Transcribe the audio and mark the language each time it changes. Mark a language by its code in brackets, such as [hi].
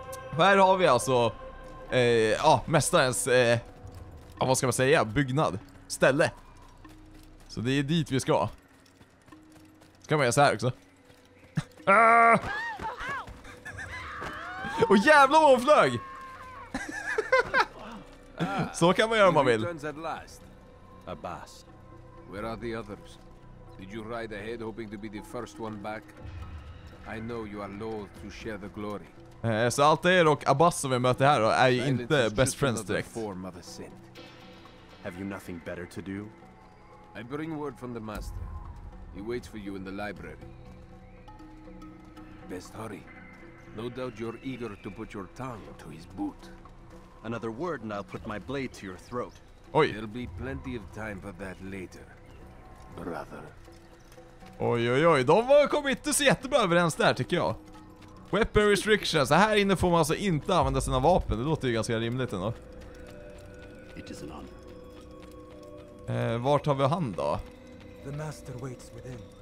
[sv] Och här har vi alltså mästarens, vad ska man säga, byggnad, ställe. Så det är dit vi ska. Kan man göra så här också. Och jävlar vad hon flög! Så kan man göra om man vill. [en] Returns at last. Abbas. Where are the others? Did you ride ahead hoping to be the first one back? I know you are loath to share the glory. [sv] Så allt det och Abbas som vi möter här då är ju inte [en] best friends [sv] direkt. [en] Have you nothing better to do? I bring word from the master. He waits for you in the library. Best hurry. No doubt you're eager to put your tongue to his boot. Another word and I'll put my blade to your throat. Oj. There'll be plenty of time for that later, brother. Oj, oj, oj. [sv] De kom inte så jättebra överens där, tycker jag. [en] Weapon restrictions. [sv] Här inne får man alltså inte använda sina vapen. Det låter ju ganska rimligt ändå. [en] It is an honor. [sv] Vart har vi han då? [en] The master waits within.